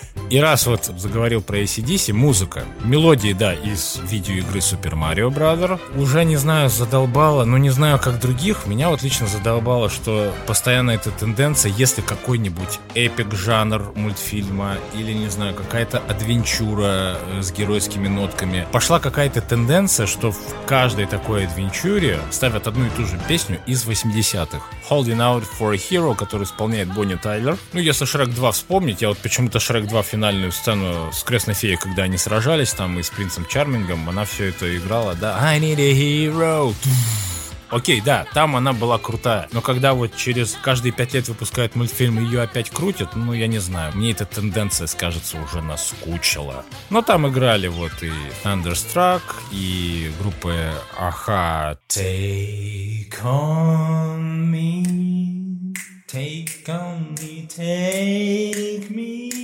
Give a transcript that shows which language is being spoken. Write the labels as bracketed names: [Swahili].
[Russian] И раз вот заговорил про AC/DC, музыка, мелодии, да, из видеоигры Super Mario Brother, уже, не знаю, задолбало, но не знаю, как других, меня вот лично задолбало, что постоянно эта тенденция, если какой-нибудь эпик-жанр мультфильма или, не знаю, какая-то адвенчура с геройскими нотками, пошла какая-то тенденция, что в каждой такой адвенчуре ставят одну и ту же песню из 80-х. Holding Out for a Hero, который исполняет Бонни Тайлер. Ну, если Шрек 2 вспомнить, я вот почему-то Шрек 2 финальную сцену с Крестной Феей, когда они сражались там и с Принцем Чармингом, она все это играла, да. [English] I need a hero. [Russian] Окей, да, там она была крутая. Но когда вот через каждые 5 лет выпускают мультфильм и ее опять крутят, ну, я не знаю, мне эта тенденция, кажется, уже наскучила. Но там играли вот и Thunderstruck, и группы Aha. [English] Take on me, take on me, take me.